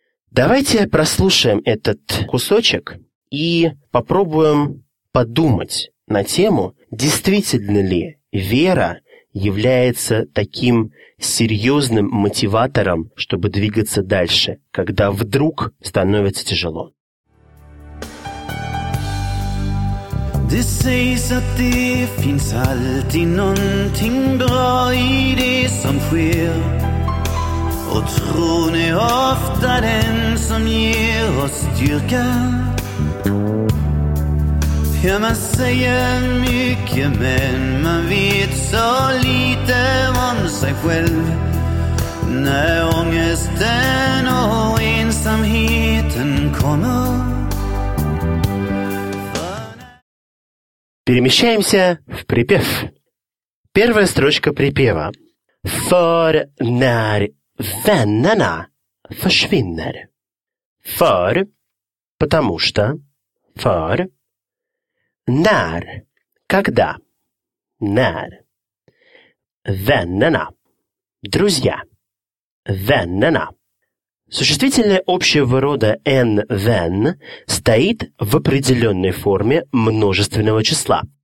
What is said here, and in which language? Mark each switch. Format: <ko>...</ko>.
<ru>Давайте прослушаем этот кусочек и попробуем подумать на тему, действительно ли вера является таким серьезным мотиватором, чтобы двигаться дальше, когда вдруг становится тяжело.</ru> <sv>Det sägs att det finns alltid någonting bra i det som sker. Och tron är ofta den som ger oss styrka. Ja, man säger mycket men man vet så lite om sig själv. När ångesten och ensamheten kommer.</sv> <ru>Перемещаемся в припев. Первая строчка припева.</ru> <sv>För när vännerna försvinner.</sv> <ru>För, потому что.</ru> <sv>För. När, когда. När.</sv> <ru>Vännerna, друзья.</ru> <sv>Vännerna.</sv> <ru>Существительное общего рода en vän стоит в определенной форме множественного числа.</ru>